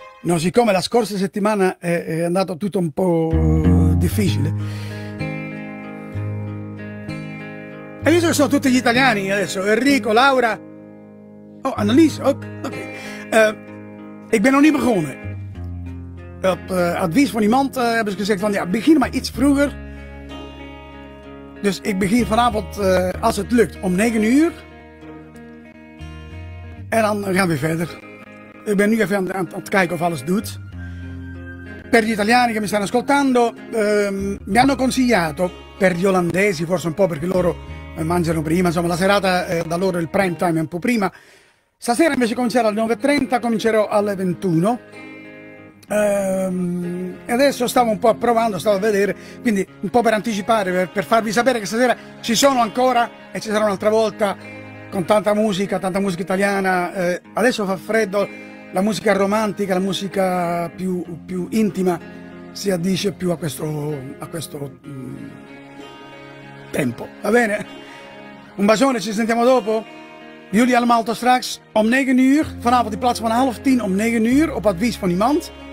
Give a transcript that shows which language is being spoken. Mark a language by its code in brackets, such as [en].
[it] No, siccome la scorsa settimana è andato tutto un po' difficile. E visto che sono tutti gli italiani adesso, Enrico, Laura, oh, Annalisa, ok. [nl] Ik ben nog niet begonnen. Op advies van iemand hebben ze gezegd van ja, begin maar iets vroeger. Dus ik begin vanavond, als het lukt, om 9 uur. En dan gaan we verder. Ik ben nu even aan het kijken of alles doet. [it] Per gli italiani che mi stanno ascoltando, mi hanno consigliato, per gli olandesi forse un po' perché loro mangiano prima, insomma la serata da loro il prime time è un po' prima. Stasera invece comincerò alle 9.30, comincerò alle 21. E adesso stavo un po' approvando, stavo a vedere, quindi un po' per anticipare, per farvi sapere che stasera ci sono ancora e ci sarà un'altra volta con tanta musica italiana. Adesso fa freddo. La musica romantica, la musica più intima si addice più a questo tempo. Va bene? Un bacione, ci sentiamo dopo. [nl] Jullie allemaal tot straks om 9 uur. Vanavond in plaats van 9:30 om 9 uur op advies van iemand.